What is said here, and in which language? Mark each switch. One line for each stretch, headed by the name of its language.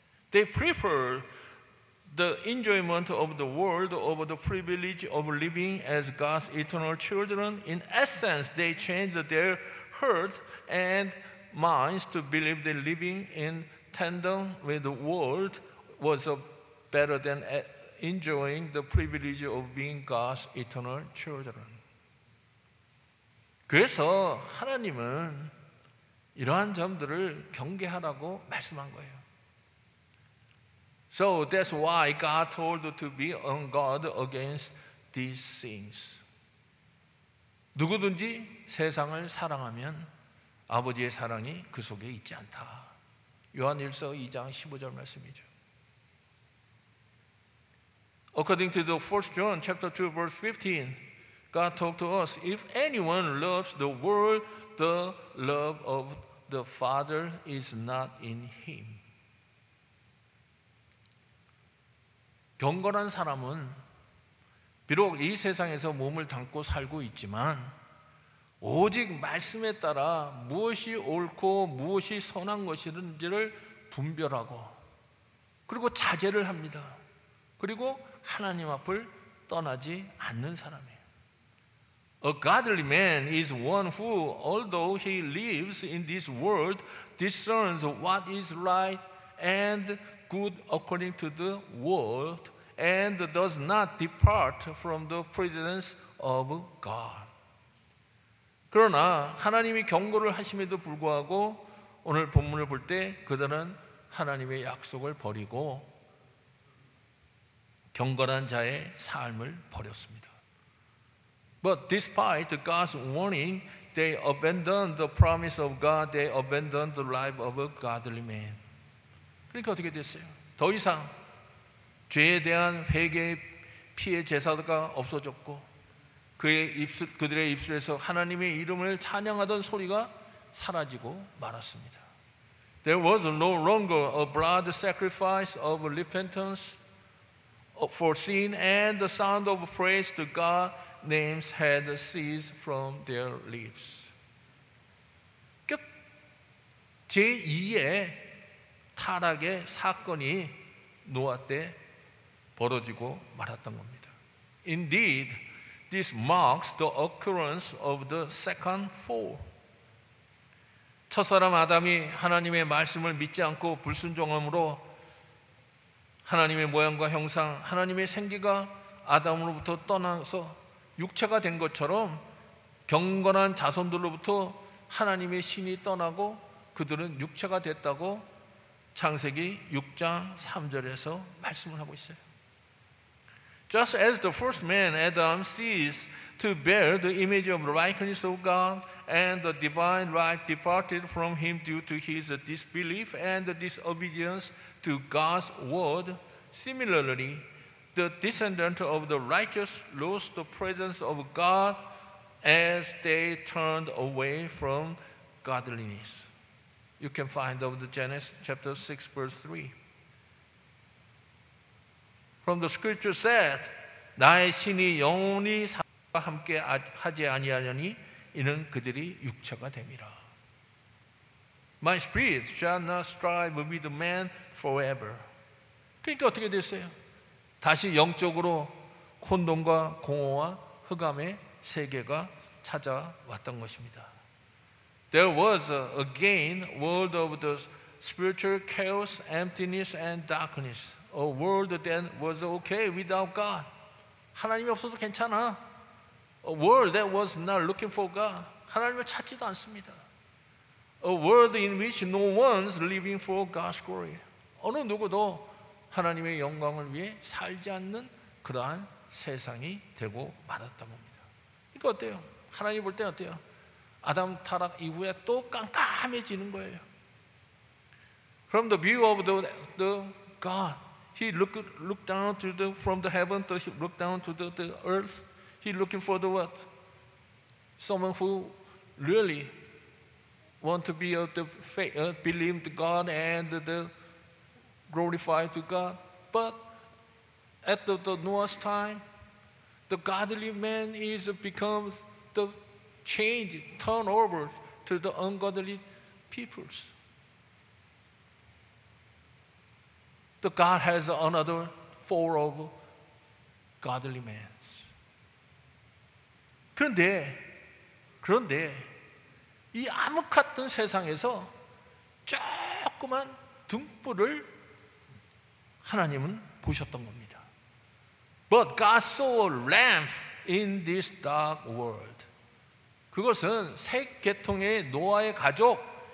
English: They prefer the enjoyment of the world over the privilege of living as God's eternal children. In essence, they changed their hearts and minds to believe that living in tandem with the world was better than enjoying the privilege of being God's eternal children.
Korean: 그래서 하나님은 이러한 점들을 경계하라고 말씀한 거예요.
English: So that's why God told to be on guard against these things.
Korean: 누구든지 세상을 사랑하면 아버지의 사랑이 그 속에 있지 않다. 요한일서 2장 15절 말씀이죠.
English: According to the 1 John chapter 2 verse 15, God talked to us, if anyone loves the world, the love of the Father is not in him.
Korean: 경건한 사람은 비록 이 세상에서 몸을 담고 살고 있지만 오직 말씀에 따라 무엇이 옳고 무엇이 선한 것인지를 분별하고 그리고 자제를 합니다. 그리고 하나님 앞을 떠나지 않는 사람이에요.
English: A godly man is one who, although he lives in this world, discerns what is right and good according to the world and does not depart from the presence of God.
Korean: 그러나 하나님이 경고를 하심에도 불구하고 오늘 본문을 볼 때 그들은 하나님의 약속을 버리고 경건한 자의 삶을 버렸습니다.
English: But despite God's warning, they abandoned the promise of God, they abandoned the life of a godly man.
Korean: 그러니까 어떻게 됐어요? 더 이상 죄에 대한 회개의 피해 제사가 없어졌고 그들의 입술에서 하나님의 이름을 찬양하던 소리가 사라지고 말았습니다.
English: There was no longer a blood sacrifice of repentance for sin and the sound of praise to God's names had ceased from their lips.
Korean: 제2의 타락의 사건이 노아 때 벌어지고 말았던 겁니다.
English: Indeed, this marks the occurrence of the second fall.
Korean: 첫 사람 아담이 하나님의 말씀을 믿지 않고 불순종함으로 하나님의 모양과 형상, 하나님의 생기가 아담으로부터 떠나서 육체가 된 것처럼 경건한 자손들로부터 하나님의 신이 떠나고 그들은 육체가 됐다고 창세기 6장 3절에서 말씀을 하고 있어요.
English: Just as the first man, Adam, ceased to bear the image of likeness of God and the divine life departed from him due to his disbelief and disobedience to God's word, similarly, the descendant of the righteous lost the presence of God as they turned away from godliness. You can find over the Genesis chapter 6, verse 3. From the scripture said,
Korean: 나의 신이 영원히 사람과 함께 하지 아니하려니 이는 그들이 육체가 됨이라.
English: My spirit shall not strive with man forever.
Korean: 그러니까 어떻게 됐어요? 다시 영적으로 혼돈과 공허와 흑암의 세계가 찾아왔던 것입니다.
English: There was again a world of the spiritual chaos, emptiness and darkness. A world that was okay without God.
Korean: 하나님이 없어도 괜찮아.
English: A world that was not looking for God.
Korean: 하나님을 찾지도 않습니다.
English: A world in which no one's living for God's glory.
Korean: 어느 누구도 하나님의 영광을 위해 살지 않는 그러한 세상이 되고 말았다 봅니다. 이거 어때요? 하나님 볼 때 어때요? 아담 타락 이후에 또 깜깜해지는 거예요.
English: From the view of the God, He looked down to the from the heaven. To, he looked down to the earth. He looking for the what? Someone who really want to be of the faith, believe the God and the glorify to God. But at the Noah's time, the godly man is become the change, turn over to the ungodly peoples. The God has another four of godly men.
Korean: 그런데 이 암흑같은 세상에서 조그만 등불을 하나님은 보셨던 겁니다.
English: But God saw a lamp in this dark world.
Korean: 그것은 세 계통의 노아의 가족